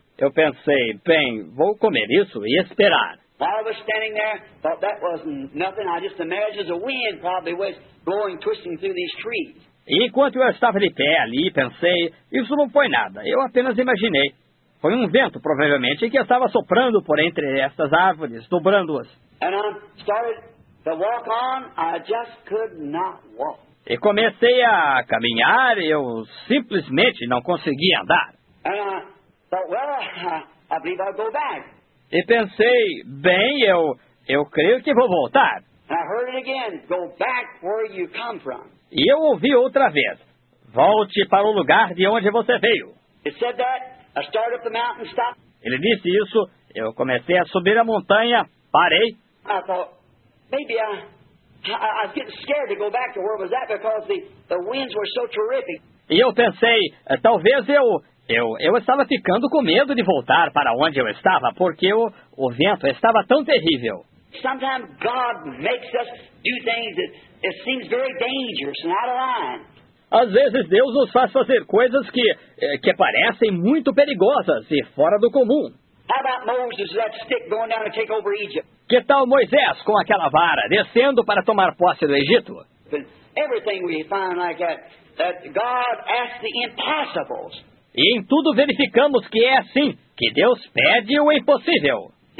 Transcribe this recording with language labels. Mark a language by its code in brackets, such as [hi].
[pt] Eu pensei, bem, vou comer isso e esperar. [en] While I was standing there, thought that wasn't nothing. I just imagined the wind probably was blowing, twisting through these trees. [pt] E enquanto eu estava de pé ali, pensei, isso não foi nada. Eu apenas imaginei. Foi um vento, provavelmente, que estava soprando por entre estas árvores, dobrando-as. [en] And I started to walk on. I just could not walk. [pt] E comecei a caminhar. Eu simplesmente não conseguia andar. [en] And I thought, well, I believe I'll go back. [pt] E pensei, bem, eu creio que vou voltar. [en] I heard it again. Go back where you come from. [pt] E eu ouvi outra vez, volte para o lugar de onde você veio. [en] It said that. I started up the mountain, stopped. [pt] Ele disse isso, eu comecei a subir a montanha, parei. [en] I thought, maybe I was getting scared to go back to where was that because the winds were so terrific. [pt] E eu pensei, talvez eu estava ficando com medo de voltar para onde eu estava, porque o vento estava tão terrível. [en] Sometimes God makes us do things that it seems very dangerous and out of line. [pt] Às vezes Deus nos faz fazer coisas que parecem muito perigosas e fora do comum. [en] How about Moses, that stick going down to take over Egypt? [pt] Que tal Moisés com aquela vara descendo para tomar posse do Egito? [en] Everything we find like that God asks the impossibles. [pt] E em tudo verificamos que é assim, que Deus pede o impossível.